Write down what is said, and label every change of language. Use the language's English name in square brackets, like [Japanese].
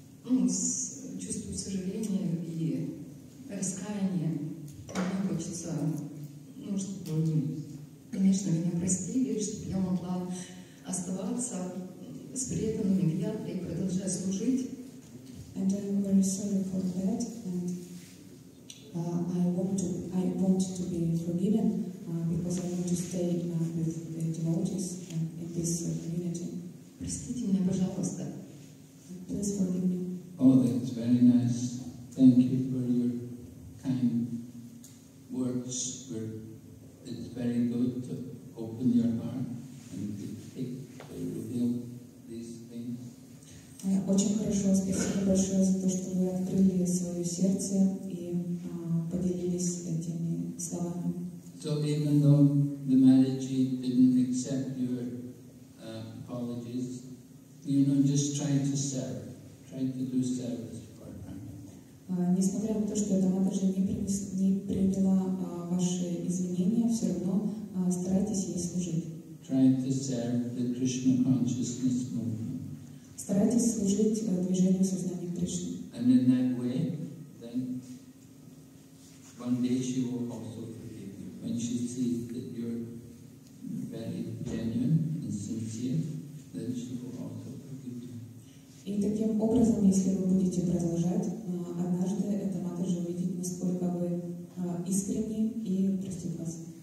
[Russian] есть сожаление и раскаяние. Мне хочется, ну, чтобы они, конечно, меня простили, чтобы я могла оставаться с преданными в Ядре и продолжать служить. [English] And I'm very sorry for that. And I want to be forgiven because I want to stay with the devotees in this community. [Russian] Простите меня, пожалуйста. [English] Please forgive me. Oh, that's very nice. Thank you for your kind words. It's very good to open your heart and to take reveal these things. [Russian] Очень хорошо, спасибо большое за то, что вы открыли свое сердце и поделились этими словами. [English] So even though the Mataji didn't accept your apologies, you know, just try to serve. Try to do service for Prabhupada. [Russian] Несмотря на то, что эта Матаджи не приняла ваши извинения, все равно старайтесь ей служить. [English] Try to serve the Krishna consciousness movement. [Russian] Старайтесь служить движению сознания Кришны. [English] And in that way, then one day she will also forgive you. When she sees that you're very genuine and sincere, then she will also. [Russian] И таким образом, если вы будете продолжать, однажды эта матерь же увидит, насколько вы искренни и простит вас.